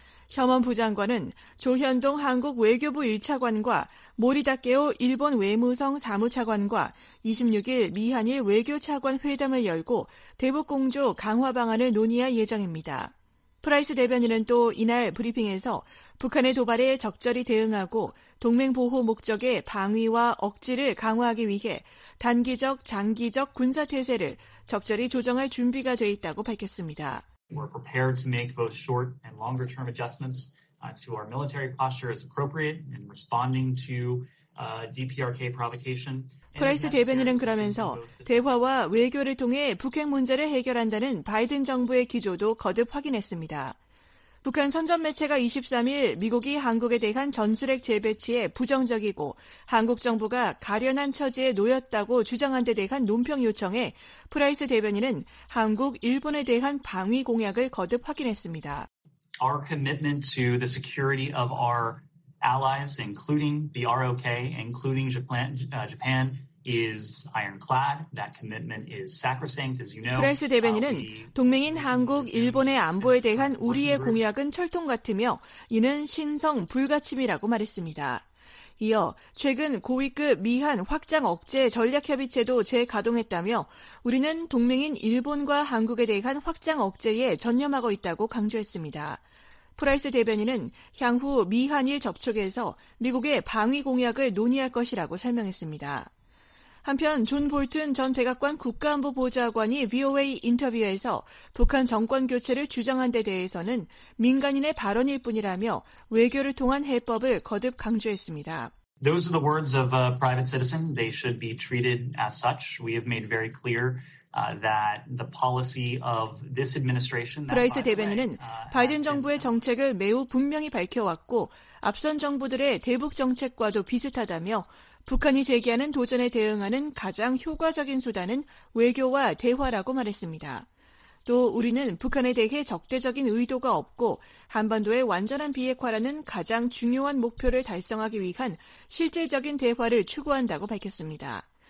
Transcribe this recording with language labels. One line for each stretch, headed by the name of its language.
Korean: 셔먼 부장관은 조현동 한국 외교부 1차관과 모리다케오 일본 외무성 사무차관과 26일 미한일 외교차관 회담을 열고 대북공조 강화 방안을 논의할 예정입니다. 프라이스 대변인은 또 이날 브리핑에서 북한의 도발에 적절히 대응하고 동맹 보호 목적의 방위와 억지를 강화하기 위해 단기적, 장기적 군사 태세를 적절히 조정할 준비가 돼 있다고 밝혔습니다.
English: We're prepared to make both short and longer term adjustments to our military posture as appropriate in responding to DPRK provocation.
Korean: 프라이스 대변인은 그러면서 대화와 외교를 통해 북핵 문제를 해결한다는 바이든 정부의 기조도 거듭 확인했습니다. 북한 선전 매체가 23일 미국이 한국에 대한 전술핵 재배치에 부정적이고 한국 정부가 가련한 처지에 놓였다고 주장한 데 대한 논평 요청에 프라이스 대변인은 한국, 일본에 대한 방위 공약을 거듭 확인했습니다.
English: Our commitment to the security of our allies, including the ROK, including Japan, is ironclad. That commitment is sacrosanct, as you know.
Korean: 프라이스 대변인은 동맹인 한국, 일본의 안보에 대한 우리의 공약은 철통 같으며 이는 신성 불가침이라고 말했습니다. 이어 최근 고위급 미한 확장 억제 전략협의체도 재가동했다며 우리는 동맹인 일본과 한국에 대한 확장 억제에 전념하고 있다고 강조했습니다. 프라이스 대변인은 향후 미한일 접촉에서 미국의 방위 공약을 논의할 것이라고 설명했습니다. 한편 존 볼튼 전 백악관 국가안보 보좌관이 VOA 인터뷰에서 북한 정권 교체를 주장한 데 대해서는 민간인의 발언일 뿐이라며 외교를 통한 해법을 거듭 강조했습니다.
English: Those are the words of a private citizen. They should be treated as such. We have made very clear that the policy of this administration.
Korean: 프라이스 대변인은 바이든 정부의 정책을 매우 분명히 밝혀왔고 앞선 정부들의 대북 정책과도 비슷하다며 북한이 제기하는 도전에 대응하는 가장 효과적인 수단은 외교와 대화라고 말했습니다. 또 우리는 북한에 대해 적대적인 의도가 없고 한반도의 완전한 비핵화라는 가장 중요한 목표를 달성하기 위한 실질적인 대화를 추구한다고 밝혔습니다.